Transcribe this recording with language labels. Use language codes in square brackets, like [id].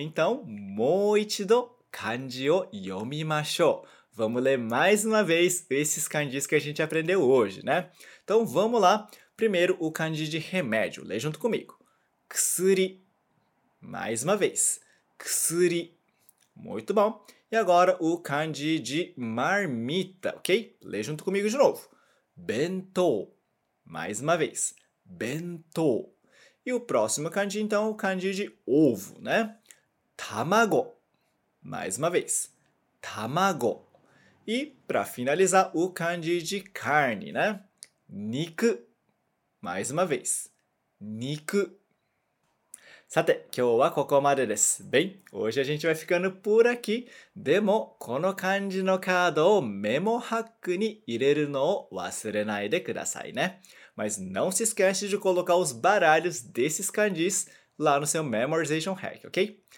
[pt] Então, [ja] もう一度漢字を読みましょう。 [pt] Vamos ler mais uma vez esses kanjis que a gente aprendeu hoje, né? Então, vamos lá. Primeiro, o kanji de remédio. Lê junto comigo. Ksuri. Mais uma vez. Ksuri. Muito bom. E agora, o kanji de marmita, ok? Lê junto comigo de novo. Bentou. Mais uma vez. Bentou. E o próximo kanji, então, é o kanji de ovo, né? Tamago. Mais uma vez. Tamago. E, para finalizar, o kanji de carne, né? Niku. Mais uma vez. Niku. [ja] さて、今日はここまでです。 [pt] Bem, hoje a gente vai ficando por aqui. [ja] でも、この漢字のカードをメモハックに入れるのを忘れないでくださいね。 [pt] Mas não se esquece de colocar os baralhos desses kanjis lá no seu Memorization Hack, ok?